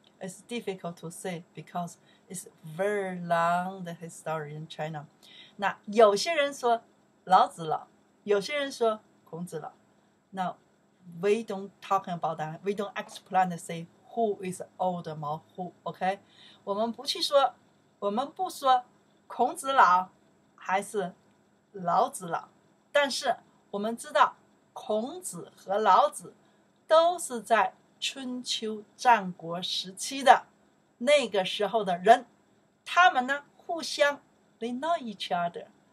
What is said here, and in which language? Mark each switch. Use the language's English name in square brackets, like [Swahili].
[English] It's difficult to say because it's very long the history in China。 [Chinese] 那有些人说老子老，有些人说孔子老。那 [English] we don't talking about that. We don't explain to say who is old more who. [Chinese] OK，我们不去说，我们不说孔子老还是老子老，但是我们知道孔子和老子都是在春秋战国时期的那个时候的人，他们呢互相 [English] they know each other。